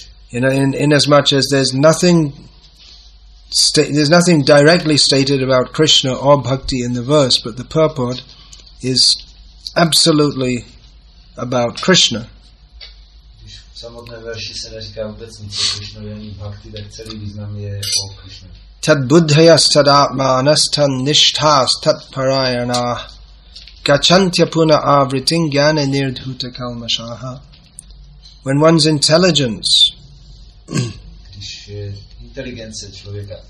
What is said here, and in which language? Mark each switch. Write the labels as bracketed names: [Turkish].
[English] You know, in as much as there's nothing directly stated about Krishna or bhakti in the verse, but the purport is absolutely about Krishna. [Czech] Samotné verši se neříká vůbec nic o Krishnovi ani bhakti, tak celý význam je o Krishna. [Sanskrit] Tad buddhayas tad atmanas tad nishthas tad parayana gachantya puna avritin gyane nirdhuta kalmashaha. [English] When one's intelligence, [Czech] když je inteligence člověka,